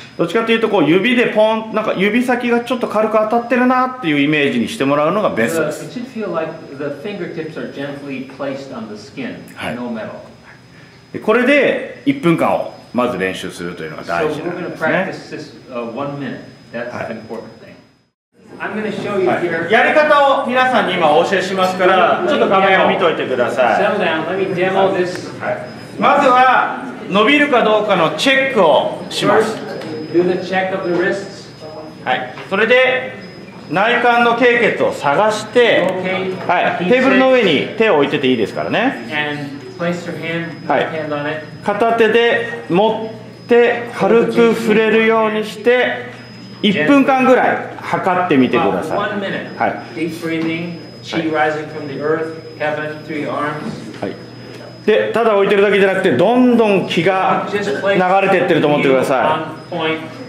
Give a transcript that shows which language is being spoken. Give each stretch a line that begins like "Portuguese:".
Japanese: どっちかというとこう指でポン、なんか指先がちょっと軽く当たってるなっていうイメージにしてもらうのがベストです。
English: It should feel like the fingertips are gently placed on the skin, no metal.
Japanese: でこれで1分間をまず練習するというのが大事なんですね。
English: So we're going to practice this one minute. That's the important thing. I'm going to show you here.
Japanese: やり方を皆さんに今お教えしますから、ちょっと画面を見といてください。
English: Settle down. Let me demo this.
Japanese: まずは伸びるかどうかのチェックをします。
English: First, do the check of the wrists.
Japanese: はい。それで内管の経血を探して、
English: okay.
Japanese: はい。テーブルの上に手を置いてていいですからね。
English: And place your hand,
Japanese: はい。
English: Hand on it.
Japanese: 片手で持って軽く触れるようにして、1分間ぐらい測ってみてください。
English: About 1 minute.
Japanese: はい。
English: Deep breathing, chi rising from the earth, heaven through your arms.
Japanese: はい。でただ置いてるだけじゃなくて、どんどん気が流れていってると思ってください。